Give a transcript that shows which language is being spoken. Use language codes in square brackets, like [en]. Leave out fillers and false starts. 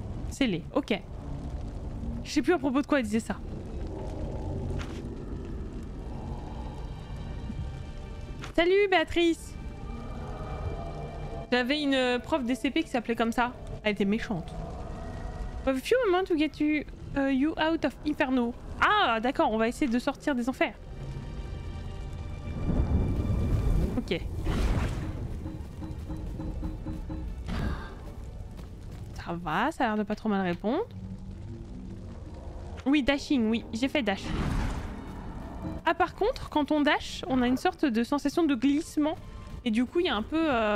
[fr] Scellé, ok. Je sais plus à propos de quoi elle disait ça. Salut Béatrice! J'avais une prof DCP qui s'appelait comme ça. Elle était méchante. [en] A few moments to get you, you out of Inferno. [fr] Ah d'accord, on va essayer de sortir des enfers. Ok. Ça va, ça a l'air de pas trop mal répondre. Oui, dashing, oui, j'ai fait dash. Ah par contre, quand on dash, on a une sorte de sensation de glissement. Et du coup, il y a un peu...